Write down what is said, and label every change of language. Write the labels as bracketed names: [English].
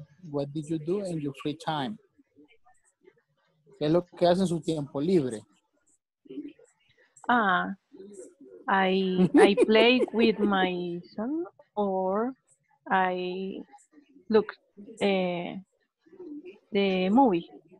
[English] What did you do in your free time? [Spanish] ¿Qué es lo que hace en su tiempo libre? [English] Ah, I play with my son, or I look the movie.